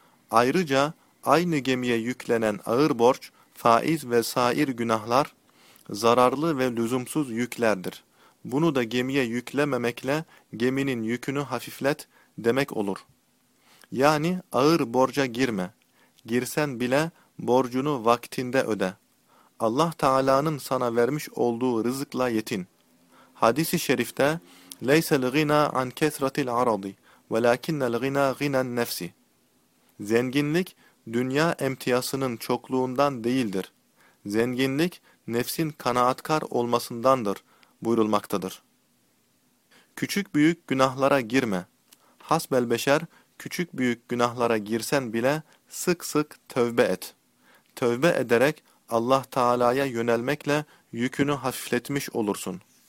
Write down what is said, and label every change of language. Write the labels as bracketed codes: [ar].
[tr] Ayrıca aynı gemiye yüklenen ağır borç, faiz ve sair günahlar, zararlı ve lüzumsuz yüklerdir. Bunu da gemiye yüklememekle geminin yükünü hafiflet demek olur. Yani ağır borca girme. Girsen bile borcunu vaktinde öde. Allah Teala'nın sana vermiş olduğu rızıkla yetin. Hadis-i şerifte [ar] لَيْسَ الْغِنَا عَنْ كَثْرَةِ الْعَرَضِ وَلَاكِنَّ الْغِنَا غِنَا النَّفْسِ [tr] zenginlik dünya emtiyasının çokluğundan değildir. Zenginlik nefsin kanaatkar olmasındandır buyurulmaktadır. Küçük büyük günahlara girme. Hasbel beşer küçük büyük günahlara girsen bile sık sık tövbe et. Tövbe ederek Allah Teala'ya yönelmekle yükünü hafifletmiş olursun.